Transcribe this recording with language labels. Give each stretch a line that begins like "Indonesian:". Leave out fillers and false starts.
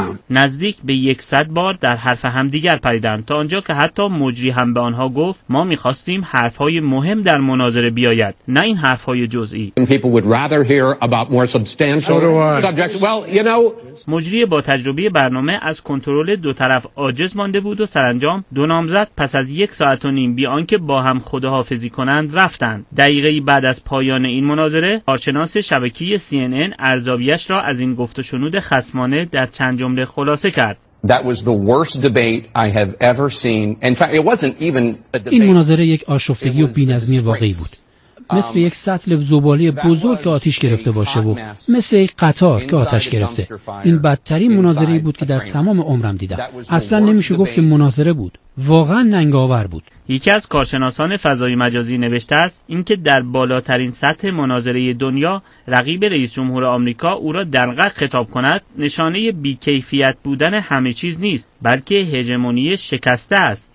Persian: نزدیک به 100 بار در حرف هم دیگر پریدند تا آنجا که حتی مجری هم به آنها گفت ما می‌خواستیم حرف‌های مهم در مناظره بیاید، نه این حرف‌های جزئی.
English: About more substantial subjects. Well, you know,
Persian: مجری با تجربه برنامه از کنترل دو طرف عاجز مانده بود و سرانجام دو نامزد پس از یک ساعت و نیم بیان که با هم خداحافظی کنند رفتند. دقیقه بعد از پایان این مناظره کارشناس شبکه CNN ارزیابیش را از این گفت و شنود خصمانه در چند جمله خلاصه کرد.
English: That was the worst debate I have ever seen. In fact, it wasn't even a debate.
Persian: این مناظره یک آشفتگی و بی‌نظمی واقعی بود. مثل یک سطل زباله بزرگ که آتش گرفته باشه و مثل یک قطار که آتش گرفته. این بدترین مناظره‌ای بود که در تمام عمرم دیدم. اصلا نمیشه گفت که مناظره بود، واقعا ننگ‌آور بود. یکی از کارشناسان فضای مجازی نوشته است اینکه در بالاترین سطح مناظره دنیا رقیب رئیس جمهور آمریکا او را دلقق خطاب کند نشانه بیکیفیت بودن همه چیز نیست، بلکه هژمونی شکسته است.